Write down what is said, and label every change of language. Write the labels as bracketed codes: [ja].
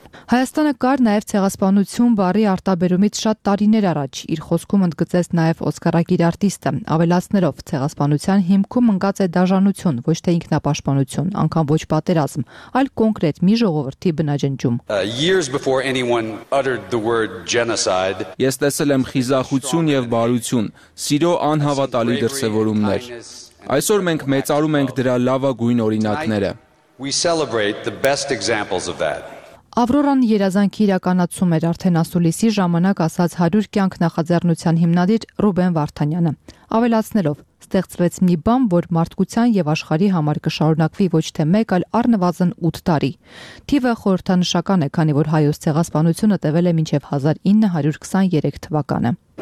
[hy] Հայաստանը կար նաև ցեղասպանություն բարի արտաբերումից շատ տարիներ առաջ, իր խոսքում ընդգծեց նաև Օսկարակիր արտիստը, ավելացնելով. Ցեղասպանության հիմքում ընկած է դաժանություն, ոչ թե ինքնապաշտպանություն, անգամ ոչ պատերազմ, այլ կոնկրետ մի ժողովրդի բնաջնջում. [en] Years before anyone uttered the word genocide. [hy] Ես տեսել եմ խիզախություն եւ բարություն, սիրո անհավատալի դրսեւորումներ. Այսօր մենք մեծարում ենք դրա լավագույն օրինակները. [en] We celebrate the best examples of that. [hy] Ավրորան երազանքի իրականացում էր արդեն ասուլիսի ժամանակ ասած 100 կյանք նախաձեռնության հիմնադիր Ռուբեն Վարդանյանը։ Ավելացնելով, ստեղծվեց մի բան, որ մարդկության և աշխարի համար կշարունակվի ոչ թե մեկ, այլ առնվազն 8 տարի։ Թիվը խորհրդանշական է, քանի որ հայոց ցեղասպանությունը տևել է մինչև 1923 թվականը։